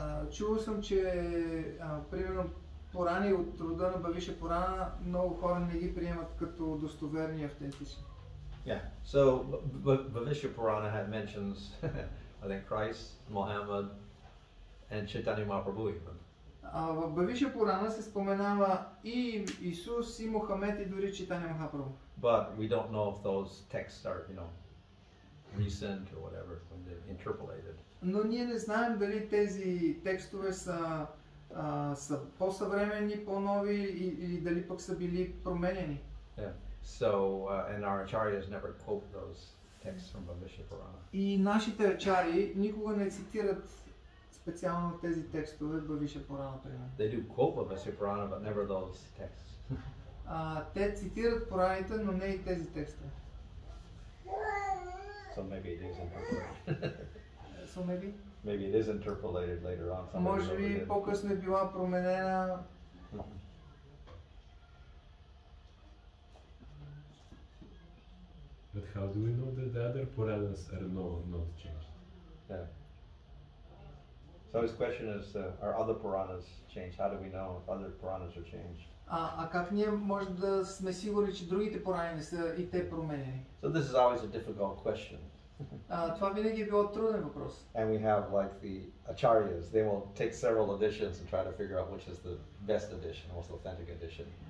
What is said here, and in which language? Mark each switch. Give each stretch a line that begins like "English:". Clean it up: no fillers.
Bulgarian: Чувал съм, че примерно Пурани от рода на Бхавиша Пурана много хора не ги приемат като достоверни и автентични.
English: Yeah, so Bhavisha Purana had mentions I think Christ, Muhammad, and Chaitanya Mahaprabhu even.
Bulgarian: В Бхавиша Пурана се споменава и Исус, и Мохамед, и дори Чайтанья Махапрабху.
English: But we don't know if those texts are, you know, recent or whatever, when they're interpolated.
Bulgarian: Но ние не знаем дали тези текстове са по-съвременни, по-нови, или дали пък са били променени.
English: Yeah. So, and our acharyas never quote those texts from Bhavisha Purana.
Bulgarian: И нашите ачари никога не цитират специално тези текстове в Бхавиша Пурана, примерно.
English: They do quote Bhavisha Purana, but never those texts.
Bulgarian: Те цитират Пураните, но не и тези текстове.
English: So maybe it is interpolated. So maybe? Maybe it is interpolated later on.
Bulgarian: Може би по-късно е била променена.
English: But how do we know that the other Puranas are not changed? Yeah. So his question is, are other Puranas changed? How do we know if other Puranas are changed?
Bulgarian: А как ние може да сме сигурни, че другите Пурани не са и те променени?
English: So this is always a difficult question.
Bulgarian: Това винаги е било труден въпрос.
English: And we have like the Acharyas. They will take several editions and try to figure out which is the best edition, most authentic edition.